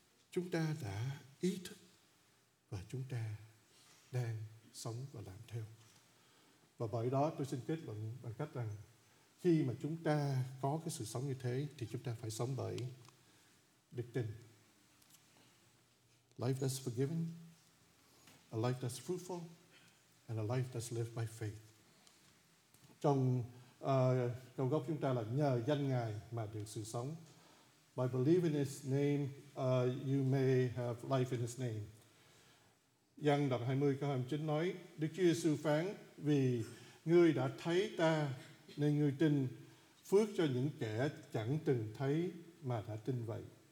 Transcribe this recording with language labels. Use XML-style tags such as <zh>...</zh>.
<vi>Chúng ta đã ý thức và chúng ta đang sống và làm theo. Và bởi đó tôi xin kết luận bằng cách rằng khi mà chúng ta có cái sự sống như thế thì chúng ta phải sống bởi đức tin.</vi> <en>Life that's forgiving, a life that's fruitful, and a life that's lived by faith.</en> <vi>Trong cầu gốc chúng ta là nhờ danh Ngài mà được sự sống.</vi> <en>By believing His name, you may have life in His name.</en> <vi>Giăng đoạn 20 câu 29 nói, Đức Chúa Giêsu phán, vì ngươi đã thấy ta, nên ngươi tin, phước cho những kẻ chẳng từng thấy mà đã tin vậy.</vi>